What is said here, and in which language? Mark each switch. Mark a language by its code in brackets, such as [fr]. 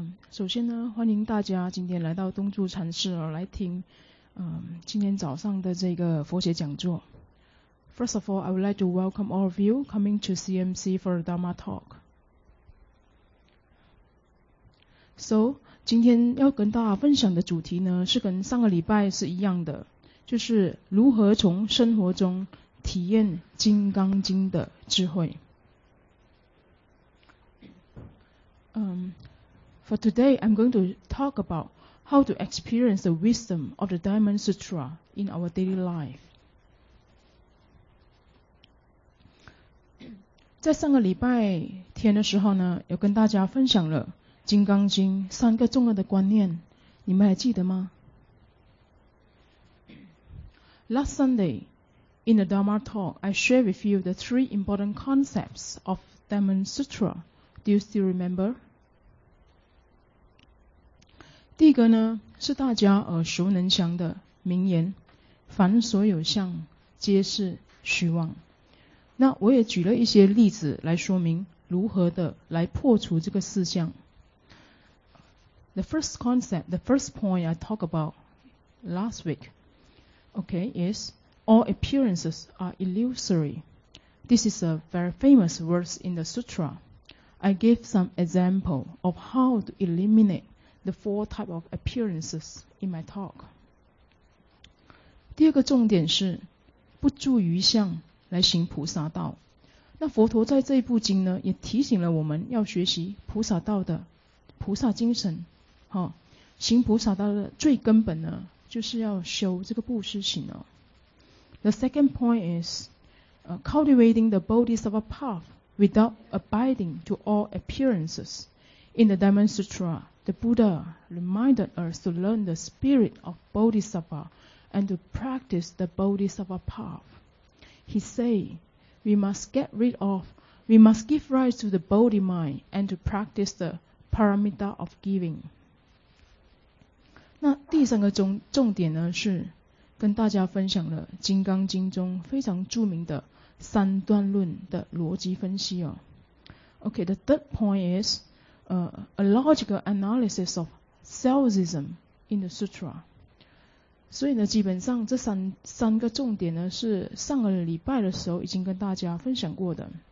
[zh] 首先呢，欢迎大家今天来到东柱禅寺来听，今天早上的这个佛学讲座。 [en] First of all, I would like to welcome all of you coming to CMC for a Dharma talk. [zh] So, 今天要跟大家分享的主题呢，是跟上个礼拜是一样的。就是如何从生活中体验《金刚经》的智慧。 [en] For today, I'm going to talk about how to experience the wisdom of the Diamond Sutra in our daily life. [zh] 在上个礼拜天的时候呢，有跟大家分享了《金刚经》三个重要的观念，你们还记得吗？ [en] Last Sunday, in the Dharma talk, I shared with you the three important concepts of Diamond Sutra. Do you still remember? [zh] 第一个呢，是大家耳熟能详的名言，凡所有相，皆是虚妄。那我也举了一些例子来说明如何的来破除这个四相。 [en] The first concept, the first point I talked about last week,Okay, yes, all appearances are illusory. This is a very famous verse in the sutra. I gave some example of how to eliminate the four types of appearances in my talk. [zh] 第二个重点是不住于相来行菩萨道。那佛陀在这一部经呢，也提醒了我们要学习菩萨道的菩萨精神。好，行菩萨道的最根本呢，就是要修这个布施行哦。 [en] The second point is, cultivating the Bodhisattva path without abiding to all appearances. In the Diamond Sutra, the Buddha reminded us to learn the spirit of Bodhisattva and to practice the Bodhisattva path. He said, we must give rise to the Bodhi mind and to practice the paramita of giving. [zh] 那第三个重点呢，是跟大家分享了《金刚经》中非常著名的三段论的逻辑分析哦。 [en] Okay, the third point is, a logical analysis of selfism in the sutra. [zh] 所以呢，基本上这三个重点呢，是上个礼拜的时候已经跟大家分享过的。